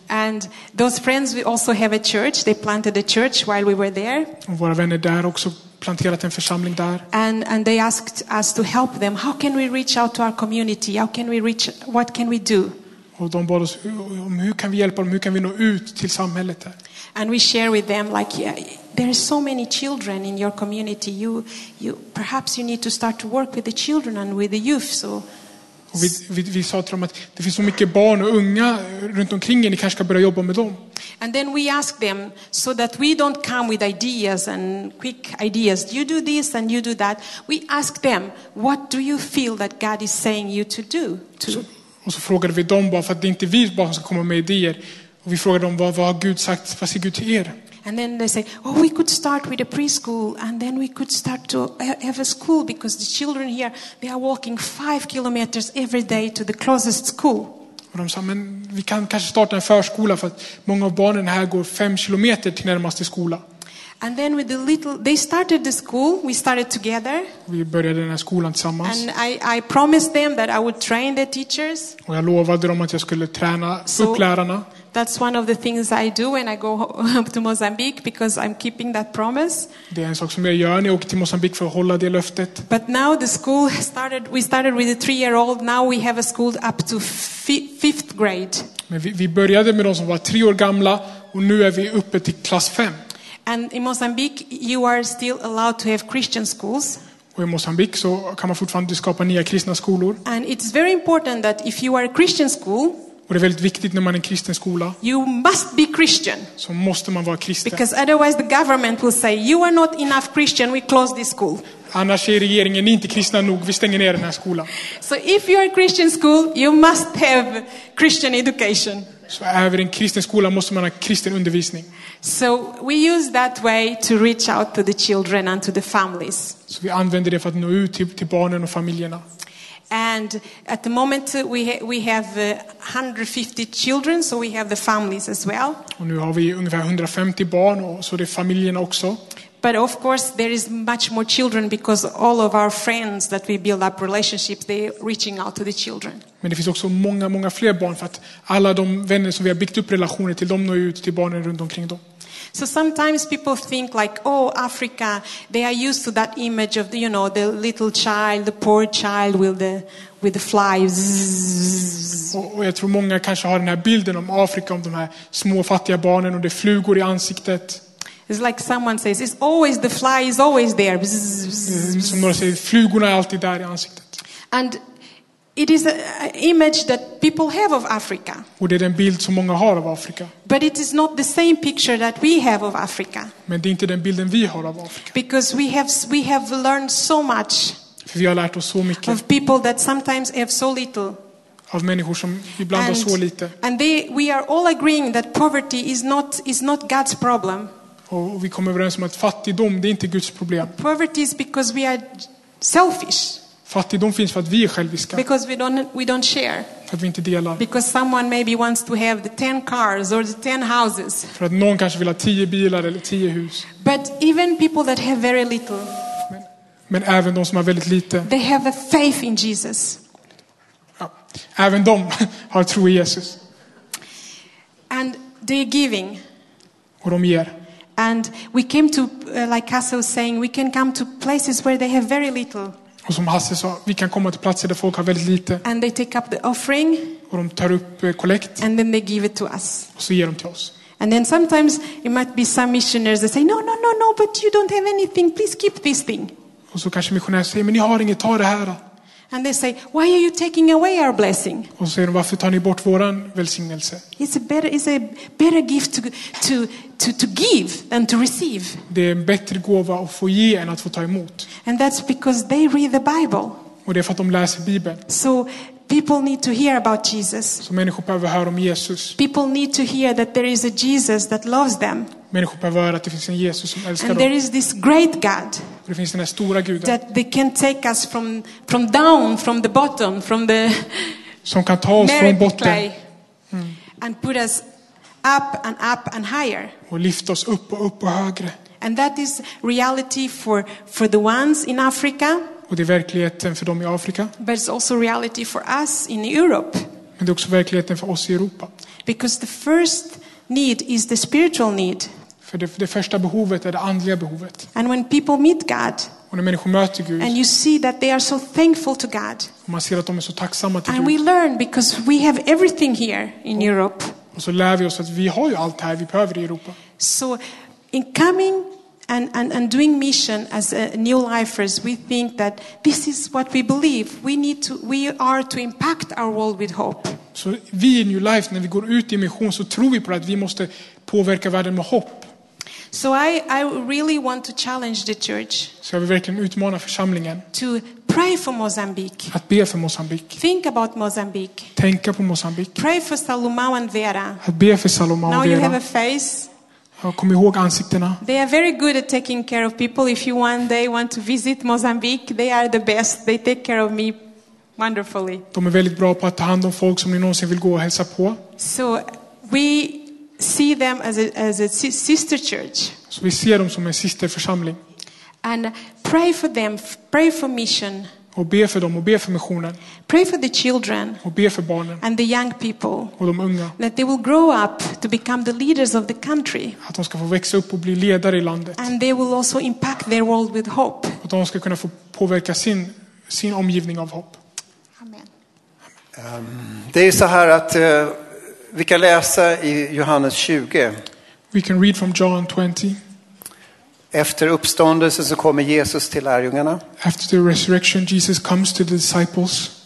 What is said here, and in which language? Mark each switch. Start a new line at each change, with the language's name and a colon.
English: And those friends, we also have a church. They planted a church while we were there.
Swedish: Och våra vänner där också planterat en församling där.
English: And they asked us to help them. How can we reach out to our community? How can we reach? What can we do?
Swedish: Och de bad oss om hur kan vi hjälpa dem? Hur kan vi nå ut till samhället där?
English: And we share with them like, yeah, there are so many children in your community. You perhaps you need to start to work with the children and with the youth. So.
Swedish: Och vi sa till dem att det finns så mycket barn och unga runt omkring er, ni kanske ska börja jobba med dem.
English: And then we ask them so that we don't come with ideas and quick ideas. You do this and you do that. We ask them, what do you feel that God is saying you to do?
Swedish: Och så frågade vi dem bara för att det inte är vi bara som ska komma med idéer. Och vi frågade dem, vad har Gud sagt, vad säger Gud till er?
English: And then they say, oh, we could start with a preschool and then we could start to have a school because the children here, they are walking 5 kilometers every day to the closest school.
Swedish: Och de sa, men vi kan kanske starta en förskola för att många av barnen här går 5 kilometer till närmaste skola.
English: And then with the little, they started the school, we started together.
Swedish: Vi började den här skolan tillsammans.
English: And I promised them that I would train the teachers.
Swedish: Och jag lovade dem att jag skulle träna upp lärarna.
English: That's one of the things I do when I go to Mozambique, because I'm keeping that promise.
Swedish: Det är en sak som jag gör när jag åker till Mozambique för att hålla det löftet.
English: But now the school started, we started with a 3-year-old. Now we have a school up to 5th grade.
Swedish: Men vi började med de som var 3 år gamla och nu är vi uppe till klass 5.
English: And in Mozambique you are still allowed to have Christian schools.
Swedish: Och i Mozambique så kan man fortfarande skapa nya kristna skolor.
English: And it's very important that if you are a Christian school,
Swedish: och det är väldigt viktigt när man är en kristen skola,
English: you must be Christian.
Swedish: Så måste man vara kristen.
English: Because otherwise the government will say you are not enough Christian, we close this school.
Swedish: Annars är regeringen inte kristna nog, vi stänger ner den här skolan.
English: So if you are a Christian school, you must have Christian education.
Swedish: Så även en kristen skola måste man ha kristen undervisning.
English: So we use that way to reach out to the children and to the families.
Swedish: Så vi använder det för att nå ut till barnen och familjerna.
English: And at the moment we have 150 children, so we have the families as well.
Swedish: Och nu har vi ungefär 150 barn och så det är familjerna också.
English: But of course there is much more children, because all of our friends that we build up relationships, they reaching out to the children.
Swedish: Men det finns också många många fler barn, för att alla de vänner som vi har byggt upp relationer till, de når ut till barnen runt omkring dem.
English: So sometimes people think like, oh, Africa, they are used to that image of the, you know, the little child, the poor child with the flies.
Swedish: Och jag tror många kanske har den här bilden om Afrika, om de här små fattiga barnen och det flugor i ansiktet.
English: It's like someone says, it's always the fly is always there.
Swedish: Som några säger, flugorna är alltid där i ansiktet.
English: And it is an image that people have of Africa.
Swedish: Och det är den bild som många har av Afrika.
English: But it is not the same picture that we have of Africa.
Swedish: Men det är inte den bilden vi har av Afrika.
English: Because we have learned so much.
Swedish: För vi har lärt oss så mycket.
English: Of people that sometimes have so little.
Swedish: Av människor som ibland har så lite.
English: And we are all agreeing that poverty is not God's problem.
Swedish: Och vi kommer överens om att fattigdom, det är inte Guds problem.
English: Poverty is because we are selfish.
Swedish: Fattigdom finns för att vi är själviska.
English: Because we don't share.
Swedish: För att vi inte delar.
English: Because someone maybe wants to have the 10 cars or the 10 houses.
Swedish: För att någon kanske vill ha 10 bilar eller 10 hus.
English: But even people that have very little.
Swedish: Men även de som har väldigt lite.
English: They have a faith in Jesus.
Swedish: Ja. Även de har tro i Jesus.
English: And they are giving.
Swedish: Och de ger.
English: And we came to like Hasse was saying, we can come to places where they have very little.
Swedish: Och som Hasse sa, vi kan komma till platser där folk har väldigt lite.
English: And they take up the offering.
Swedish: Och de tar upp kollekt.
English: And then they give it to us.
Swedish: Och så ger de till oss.
English: And then sometimes it might be some missionaries that say, no, but you don't have anything, please keep this thing.
Swedish: Och så kanske missionärer säger, men ni har inget, ta det här.
English: And they say, why are you taking away our blessing?
Swedish: Och säger de, varför tar ni bort våran välsignelse?
English: It's a better gift to give than to receive.
Swedish: Det är en bättre gåva att få ge än att få ta emot.
English: And that's because they read the Bible.
Swedish: Och det är för att de läser Bibeln.
English: So people need to hear about Jesus.
Swedish: Så människor behöver höra om Jesus.
English: People need to hear that there is a Jesus that loves them.
Swedish: Människor behöver höra att det finns en Jesus som älskar dem.
English: And there is this great God.
Swedish: Det finns den här stora guden.
English: That they can take us from down, from the bottom, from the
Swedish: som kan ta oss från botten. Mm.
English: And put us up and up and higher.
Swedish: Och lyfta oss upp och högre.
English: And that is reality for the ones in Africa.
Swedish: Och det är verkligheten för dem i Afrika.
English: But it's also reality for us in Europe.
Swedish: Men det är också verkligheten för oss i Europa.
English: Because the first need is the spiritual need.
Swedish: För det första behovet är det andliga behovet.
English: And when people meet God.
Swedish: Och när människor möter Gud.
English: And you see that they are so thankful to God.
Swedish: Och man ser att de är så tacksamma till
English: and
Swedish: Gud.
English: And we learn because we have everything here in Europe.
Swedish: Och så lär vi oss att vi har ju allt här vi behöver i Europa.
English: So in coming and doing mission as a new lifers, we think that this is what we believe. We are to impact our world with hope.
Swedish: Så vi i New Life, när vi går ut i mission, så tror vi på att vi måste påverka världen med hopp.
English: So I really want to challenge the church.
Swedish: Så jag vill verkligen utmana församlingen.
English: To pray for Mozambique.
Swedish: Att be för Mozambique.
English: Think about Mozambique.
Swedish: Tänka på Mozambique.
English: Pray for Salomão and Vera.
Swedish: Att be för Salomão och Vera.
English: Now you have a face.
Swedish: Ja, kom ihåg ansiktena.
English: They are very good at taking care of people. If you one day want to visit Mozambique, they are the best. They take care of me wonderfully.
Swedish: De är väldigt bra på att ta hand om folk som ni någonsin vill gå och hälsa på.
English: So we see them as a sister church.
Swedish: Så vi ser dem som en systerförsamling.
English: And pray for them, pray for mission.
Swedish: Och be för dem och be för missionen.
English: Pray for the children.
Swedish: Och be för barnen.
English: And the young people.
Swedish: Och de unga.
English: That they will grow up to become the leaders of the country.
Swedish: Att de ska få växa upp och bli ledare i landet.
English: And they will also impact their world with hope.
Swedish: Och de ska kunna få påverka sin omgivning av hopp.
English: Amen.
Swedish: Det är så här att vi kan läsa i Johannes 20.
English: We can read from John 20.
Swedish: Efter uppståndelsen så kommer Jesus till lärjungarna.
English: After the resurrection Jesus comes to the disciples.